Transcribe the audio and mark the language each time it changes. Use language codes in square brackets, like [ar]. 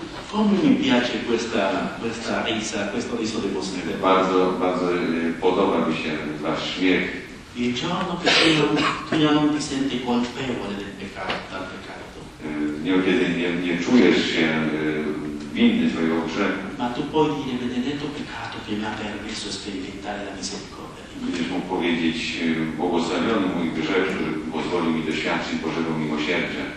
[it] Come mi piace questa risa, questo riso di vostro. [pl] Bardzo, bardzo podoba mi się wasz śmiech. [it] Il giorno che tu non ti senti colpevole del peccato, tal peccato. [pl] Niekiedy nie czujesz się winny swojego grzechu. [it] Ma tu puoi dire benedetto peccato che mi ha permesso sperimentare la misericordia. [pl] Będziesz mógł powiedzieć: "Błogosławiony mój grzech, który pozwolił mi doświadczyć Bożego miłosierdzia."